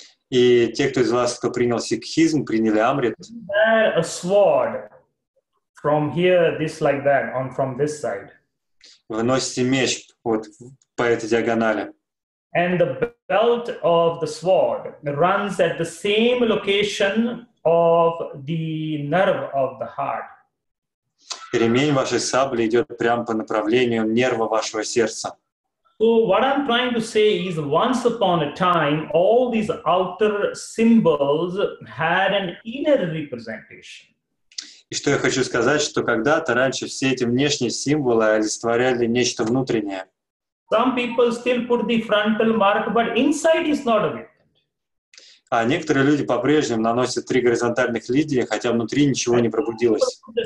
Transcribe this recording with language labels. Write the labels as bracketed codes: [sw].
[ru] И те, кто из вас, кто принял сикхизм, приняли Амрит. [en] Bear a sword from here, this like that, on from this side. [ru] Вы носите меч вот по этой диагонали. [en] And the belt of the sword runs at the same location of the nerve of the heart. [ru] Ремень вашей сабли идет прямо по направлению нерва вашего сердца. [en] So what I'm trying to say is, once upon a time, all these outer symbols had an inner representation. [ru] И что я хочу сказать, что когда-то раньше все эти внешние символы олицетворяли нечто внутреннее. [en] Some people still put the frontal mark, but inside is not awakened. [ru] А некоторые люди по-прежнему наносят три горизонтальных линии, хотя внутри ничего не пробудилось.